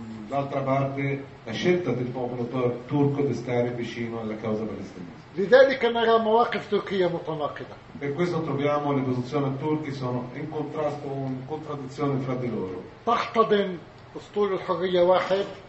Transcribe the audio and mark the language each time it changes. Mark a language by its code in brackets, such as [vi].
[it] L'altra parte, la scelta del popolo turco di stare vicino alla causa palestinese. [ar] لذلك نرى مواقف تركية متناقضة. [it] Per questo troviamo le posizioni turche sono in contrasto, in contraddizione fra di loro. [ar] تحتضن أسطول الحرية واحد.